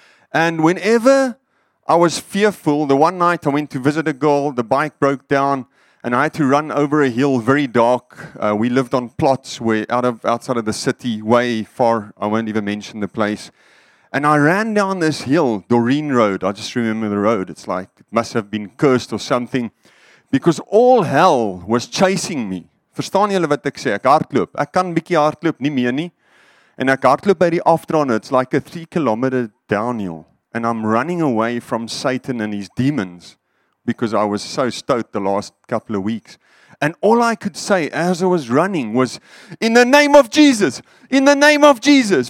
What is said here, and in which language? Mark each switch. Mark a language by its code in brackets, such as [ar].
[en] And whenever I was fearful, the one night I went to visit a girl, the bike broke down, and I had to run over a hill, very dark. We lived on plots outside of the city, way far. I won't even mention the place. And I ran down this hill, Doreen Road. I just remember the road. It's like it must have been cursed or something, because all hell was chasing me. [af] Verstaan julle wat ek sê? Ek hardloop. Ek kan bietjie hardloop, nie meer nie. [en] And I got to by the afternoon, it's like a 3 kilometer downhill. And I'm running away from Satan and his demons because I was so stoked the last couple of weeks. And all I could say as I was running was, in the name of Jesus, in the name of Jesus.